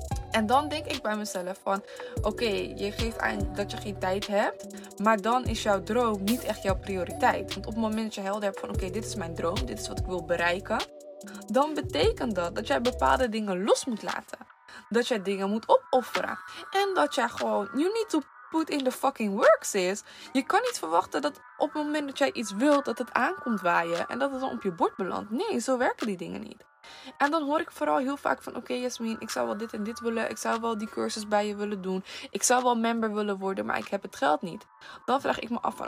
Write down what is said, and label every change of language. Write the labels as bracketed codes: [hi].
[nl] En dan denk ik bij mezelf van, oké, je geeft aan dat je geen tijd hebt. Maar dan is jouw droom niet echt jouw prioriteit. Want op het moment dat je helder hebt van, oké, dit is mijn droom. Dit is wat ik wil bereiken. Dan betekent dat dat jij bepaalde dingen los moet laten. Dat jij dingen moet opofferen. En dat jij gewoon... [en] You need to put in the fucking work, sis. [nl] Je kan niet verwachten dat op het moment dat jij iets wilt... dat het aankomt waaien en dat het dan op je bord belandt. Nee, zo werken die dingen niet. En dan hoor ik vooral heel vaak van... Oké, Jasmin, ik zou wel dit en dit willen. Ik zou wel die cursus bij je willen doen. Ik zou wel member willen worden, maar ik heb het geld niet. Dan vraag ik me af van...